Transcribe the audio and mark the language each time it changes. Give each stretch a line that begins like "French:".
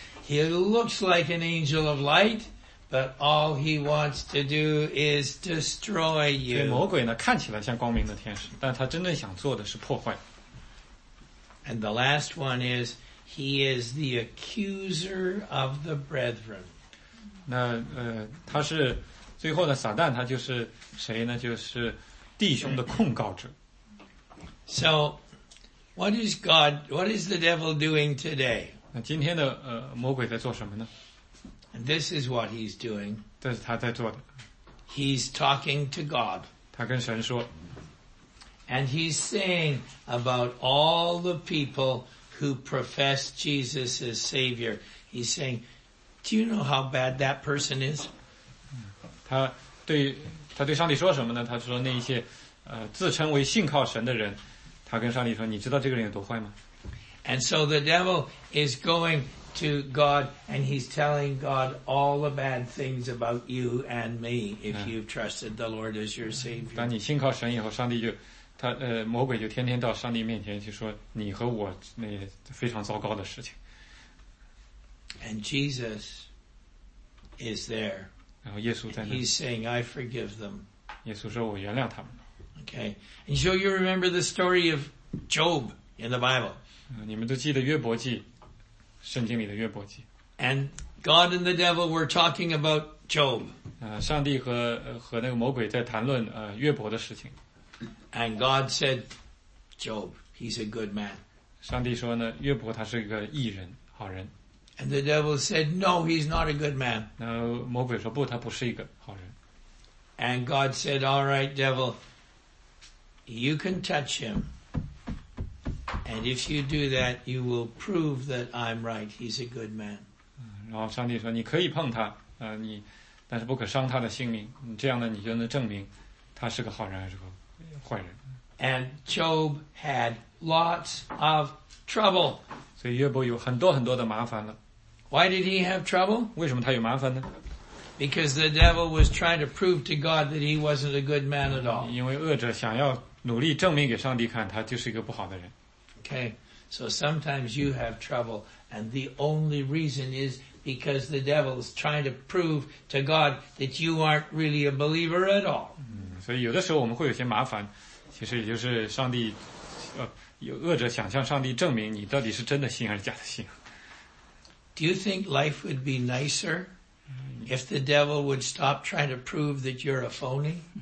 English: He looks like an angel of light, but all he wants to do is destroy you.
Chinese: 魔鬼呢，看起来像光明的天使，但他真正想做的是破坏。
English: And the last one is, he is the accuser of the brethren.
Chinese: 那他是最后的撒旦，他就是谁呢？就是弟兄的控告者。
English: So, what is the devil doing today?
Chinese: 那今天的魔鬼在做什么呢？
English: And this is what he's doing.
Chinese: 这是他在做的。
English: He's talking to God.
Chinese: 他跟神说。
English: And he's saying about all the people who profess Jesus as Savior. He's saying, do you know how bad that person is?
Chinese: 他对上帝说什么呢？他说那一些自称为信靠神的人，他跟上帝说，你知道这个人有多坏吗？
English: And so the devil is going to God and he's telling God all the bad things about you and me if you've trusted the Lord as your Savior.
Chinese: 当你信靠神以后，上帝就魔鬼就天天到上帝面前去说你和我那非常糟糕的事情。
English: And Jesus is there.
Chinese: 然后耶稣在那里。
English: He's saying, I forgive them.
Chinese: 耶稣说我原谅他们。
English: Okay. And so you remember the story of Job in the Bible.
Chinese: 你们都记得约伯记，圣经里的约伯记。
English: And God and the devil were talking about Job.
Chinese: 上帝和那个魔鬼在谈论约伯的事情。
English: And God said, Job, he's a good man.
Chinese: 上帝说呢，约伯他是一个义人，好人。
English: And the devil said, no, he's not a good man.
Chinese: 那魔鬼说不，他不是一个好人。
English: And God said, all right, devil, you can touch him. And if you do that, you will prove that I'm right. He's a good man.
Chinese: 然后上帝说你可以碰他你但是不可伤他的性命这样呢你就能证明他是个好人还是个坏人。
English: And Job had lots of trouble.
Chinese: 所以约伯有很多很多的麻烦了。
English: Why did he have trouble?
Chinese: 为什么他有麻烦呢?
English: Because the devil was trying to prove to God that he wasn't a good man at all.
Chinese: 因为恶者想要努力证明给上帝看他就是一个不好的人。
English: Okay, so sometimes you have trouble, and the only reason is because the devil is trying to prove to God that you aren't really a believer at all.
Chinese: 所以有的时候我们会有些麻烦其实也就是上帝有恶者想向上帝证明你到底是真的信还是假的信。
English: Do you think life would be nicer if the devil would stop trying to prove that you're a phony?